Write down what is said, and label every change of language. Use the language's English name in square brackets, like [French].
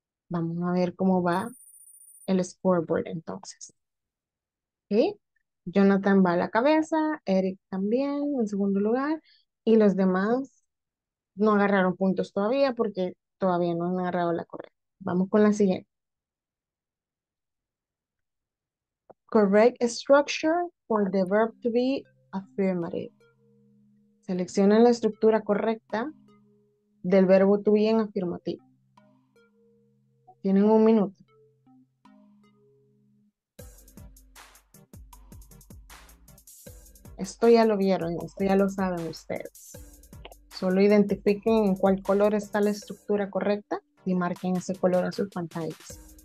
[Spanish] Vamos a ver cómo va el scoreboard entonces. ¿Sí? Jonathan va a la cabeza, Eric también en segundo lugar, y los demás no agarraron puntos todavía porque todavía no han agarrado la correcta. Vamos con la siguiente. [English] Correct structure for the verb to be affirmative. [Spanish] Seleccionen la estructura correcta del verbo to be en afirmativo. Tienen un minuto. Esto ya lo vieron, esto ya lo saben ustedes. Solo identifiquen en cuál color está la estructura correcta y marquen ese color en sus pantallas.